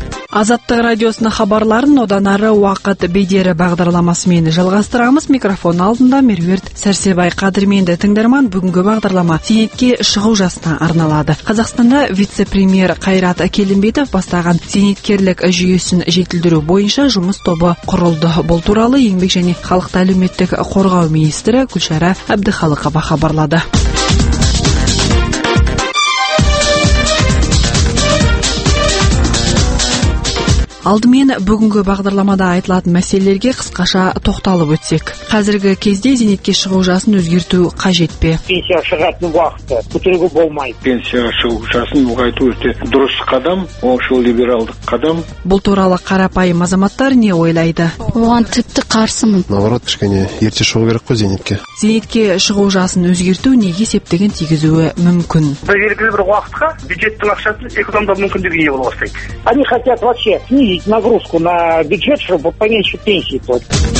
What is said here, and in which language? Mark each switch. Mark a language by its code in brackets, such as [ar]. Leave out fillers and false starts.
[ky] Азаттык радиосунун хабарларын одан ары уакыт бедери багдарламасы менен жалгастырабыз. Микрофон алдында Мервирт Сарсебай. Кадырменди тыңдарман, бүгүнкү багдарлама зейнетке чыгуу жасына арналады. Казакстанда вице-премьер Кайрат Келимбетов бастаган зейнеткерлик жүйөсүн жетилдирүү боюнча жумуш тобу курулду. Бул тууралуу [kk] Еңбек жана халыкты әлеуметтік қорғау министрі Гүлшара Әбдіхалықова хабарлады. Алдымен бүгінгі бағдарламада айтылатын мәселелерге қысқаша тоқталып өтсек. Қазіргі кезде зейнетке шығу жасын өзгерту қажет пе? Пенсияға шығатын уақыты күтіруге болмайды. Пенсияға шығу жасын ұлғайту өте дұрыс қадам, оңшыл либералдық қадам. Бұл туралы қарапайым азаматтар не ойлайды? Оған тіпті қарсымын. Наоборот, кішкене ерте шығу керек қой зейнетке. Зейнетке шығу жасын өзгерту неге септігін тигізуі мүмкін? Белгілі бір уақытқа бюджеттің ақшасын экономдау мүмкіндігіне ие болса. [ru] Они хотят вообще снизить нагрузку на бюджет, чтобы поменьше пенсии платить.